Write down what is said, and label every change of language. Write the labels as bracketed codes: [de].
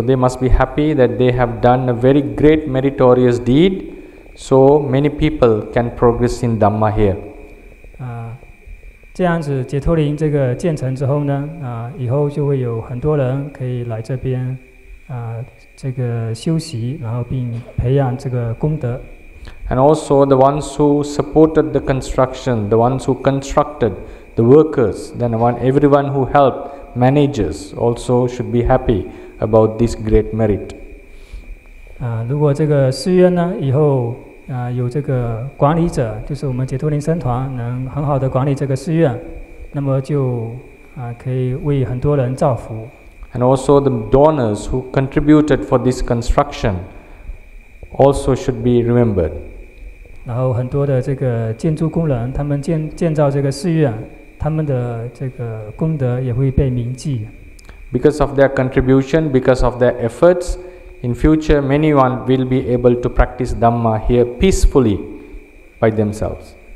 [en] they must be happy that they have done a very great meritorious deed. So many people can progress in Dhamma here. [zh] 这样子解脱林这个建成之后呢，以后就会有很多人可以来这边，这个修习，然后并培养这个功德。 [en] And also the ones who supported the construction, the ones who constructed, the workers, then one, everyone who helped, managers, also should be happy about this great merit. [zh] 如果这个寺院呢，以后有这个管理者，就是我们解脱林僧团能很好的管理这个寺院，那么就可以为很多人造福。 [en] And also the donors who contributed for this construction also should be remembered. [zh] 然后很多的这个建筑工人，他们建造这个寺院，他们的这个功德也会被铭记。 [en] Because of their contribution, because of their efforts, in future many one will be able to practice Dhamma here peacefully by themselves.